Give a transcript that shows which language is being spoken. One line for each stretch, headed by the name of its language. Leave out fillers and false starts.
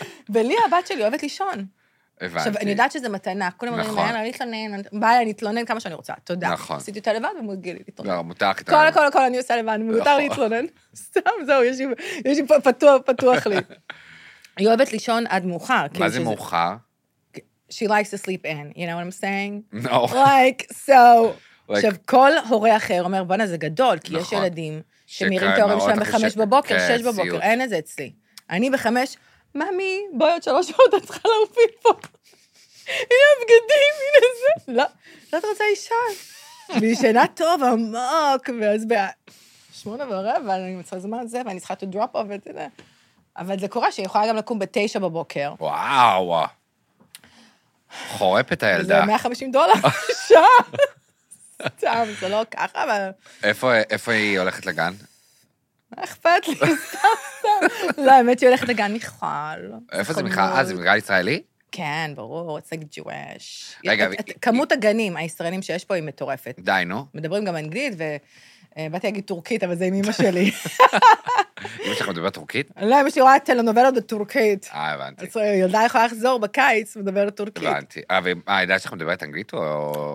Hebrew: ולי הבת שלי אוהבת לישון. הבנתי. עכשיו, אני יודעת שזה מתנה. כולם אומרים, נכון. אני אתלונן, בואי, אני אתלונן כמה שאני רוצה, תודה. נכון. עשיתי אותה לבד ומוגילי להתלונן. לא, מותר כתב. כל אני עושה לבד, מותר להתלונן. סתם, זהו, יש לי פתוח לי. היא אוהבת לישון עד מאוחר. מה זה מאוחר?
English: She likes to sleep in, you know what I'm saying? No. Like, so...
Hebrew: עכשיו, כל הורה אחר אומר, בנה, זה גדול, כי יש ילדים שמירים את ההורים שלהם בחמש בבוקר, שש בבוקר, אין את זה אצלי. אני בחמש, מאמי, בואי עוד שלוש שעות, את צריכה להופיע פה. הנה הבגדים, הנה זה. לא, לא את רוצה אישה. והיא שינה טוב, עמוק, ואז בשמונה ורבע, אני מצאה זמן זה, ואני צריכה
English: to drop off,
Hebrew: ואתה יודע. אבל זה קורה שהיא יכולה גם לקום בתשע בבוקר. וואו, חורפת הילדה. זה 150 דולר, שעה. סתם, זה לא ככה, אבל... איפה היא הולכת לגן? אכפת לי, סתם. לא, האמת היא הולכת לגן מיכל. איפה זה מיכל? זה מיכל ישראלי? כן, ברור,
English: it's like Jewish.
Hebrew: רגע, כמות הגנים הישראלים שיש פה היא מטורפת. די, נו. מדברים גם אנגלית, ובאתי להגיד טורקית, אבל זה עם אמא שלי. אמא שלך מדברת טורקית? לא, אמא שלי רואה טלנובלות בטורקית. אה, הבנתי. אז ילדה יכולה לחזור בקיץ, מדברת טורקית. הבנתי. אבל הילדה שלך מדברת אנגלית או...